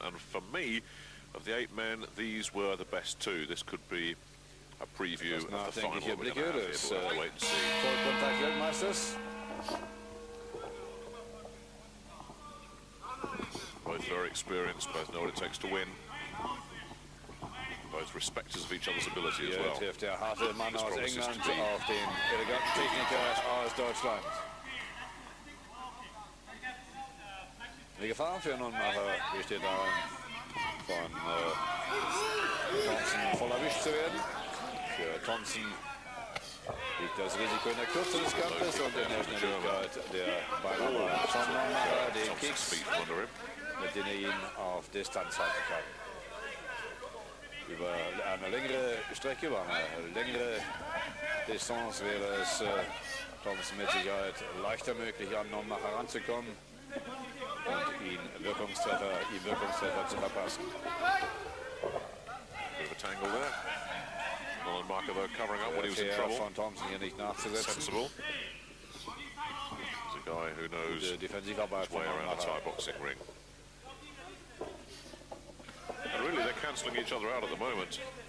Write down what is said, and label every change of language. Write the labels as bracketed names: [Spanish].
[English] And for me, of the eight men, these were the best two. This could be a preview of the final. We're going to have here, but we'll wait and see. Both very experienced, both know what it takes to win. Both respecters of each other's ability as well. [German] Der harte Mann aus England, auf den eleganten Techniker aus Deutschland. Die Gefahr für Nonnemacher besteht darin, von Thompson voll erwischt zu werden. Für Thompson liegt das Risiko in der Kürze des Kampfes und in der Schnelligkeit der Beinahme von Nonnemacher, den Kicks. Mit denen er ihn auf Distanz halten kann. Über eine längere Strecke, über eine längere Distanz wäre es Thompson mit Sicherheit leichter möglich, an Nonnemacher heranzukommen und ihm Wirkungstreffer zu verpassen. [English] A bit of a tangle there. Nonnemacher though covering up when he was in trouble. [German] Von Thompson hier nicht nachzusetzen. [English] Sensible. He's a guy who knows his way around a Thai boxing ring. And really, they're cancelling each other out at the moment.